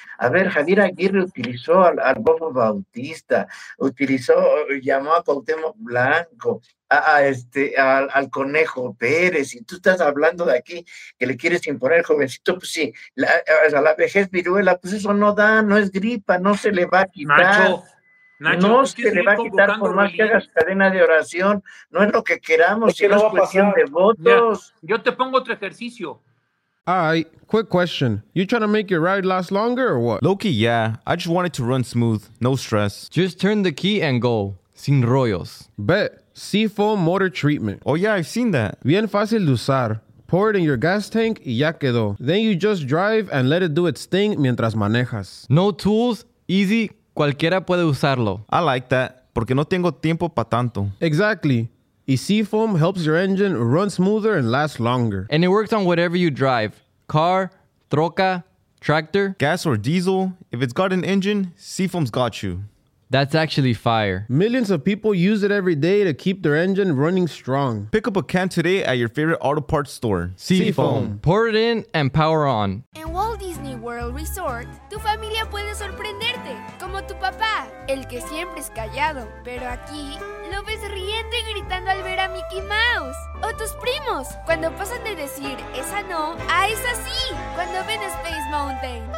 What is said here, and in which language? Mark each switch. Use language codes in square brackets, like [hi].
[es] A ver, Javier Aguirre utilizó al Bobo Bautista, llamó a Cuauhtémoc Blanco, al Conejo Pérez, y tú estás hablando de aquí que le quieres imponer jovencito, pues sí, la vejez viruela, pues eso no da, no es gripa, no se le va a quitar. Nacho, no se le va a quitar por más que hagas cadena de oración, no es lo que queramos, es que sino no es cuestión de votos. Ya, yo te pongo otro ejercicio. [en] Alright, quick question. You trying to make your ride last longer or what? Low-key, yeah. I just want it to run smooth, no stress. Just turn the key and go. [es] Sin rollos. [en] Bet. Seafoam motor treatment. Oh yeah, I've seen that. [es] Bien fácil de usar. [en] Pour it in your gas tank [es] y ya quedó. [en] Then you just drive and let it do its thing [es] mientras manejas. [en] No tools, easy, [es] cualquiera puede usarlo. [en] I like that, [es] porque no tengo tiempo para tanto. [en] Exactly. Y Seafoam helps your engine run smoother and last longer. And it works on whatever you drive. Car, troca, tractor. Gas or diesel, if it's got an engine, Seafoam's got you. That's actually fire. Millions of people use it every day to keep their engine running strong. Pick up a can today at your favorite auto parts store. Seafoam. Pour it in and power on. [es] En Walt Disney World Resort, tu familia puede sorprenderte. Como tu papá, el que siempre es callado, pero aquí lo ves riendo y gritando al ver a Mickey Mouse. O tus primos, cuando pasan de decir esa no a esa sí, cuando ven Space Mountain.